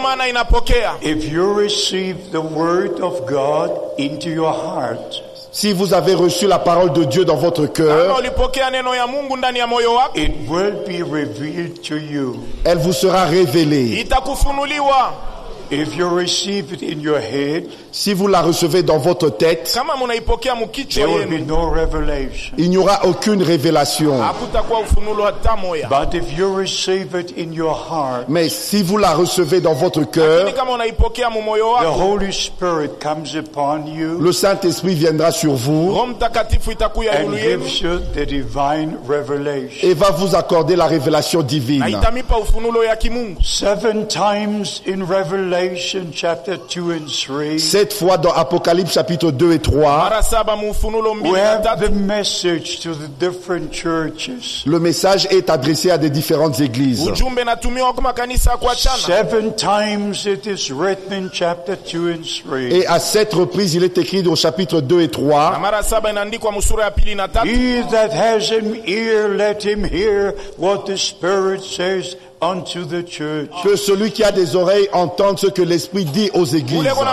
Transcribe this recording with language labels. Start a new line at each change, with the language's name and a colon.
English: If you receive the word of God into your heart,
French: si vous avez reçu la parole de Dieu dans votre cœur,
English: it will be revealed to you.
French: Elle vous sera révélée.
Swahili: Itakufunuliwa.
English: If you receive it in your head,
French: si vous la recevez dans votre tête,
Swahili: kama munaipokea mukicho,
English: there will be no revelation.
French: Il n'y aura aucune révélation.
Swahili: Hakutakuwa ufunulo hata moja.
English: But if you receive it in your heart,
French: mais si vous la recevez dans votre cœur,
Swahili: lakini kama unaipokea mumoyo wako,
English: the Holy Spirit comes upon you.
French: Le Saint-Esprit viendra sur vous.
Swahili: Roho Mtakatifu itakuja juu yenu.
English: And gives you the divine revelation.
French: Et va vous accorder la révélation divine.
Swahili: Na itamipa ufunulo ya kimungu.
English: Seven times in Revelation. Chapter 2 and 3.
French: 7 fois dans Apocalypse chapitre 2 et 3.
English: Where the message to the different churches.
French: Le message est adressé à des différentes églises.
Swahili: Ujumbe natumiwa kwa makanisa kwa chana.
English: 7 times it is written in chapter 2 and 3.
French: Et à 7 reprises il est écrit au chapitre 2 et 3.
Swahili: Na mara 7 inaandikwa msura ya 2 na 3.
English: He that has an ear, let him hear what the Spirit says. Unto the church.
French: Que celui qui a des oreilles entende ce que l'Esprit dit aux églises.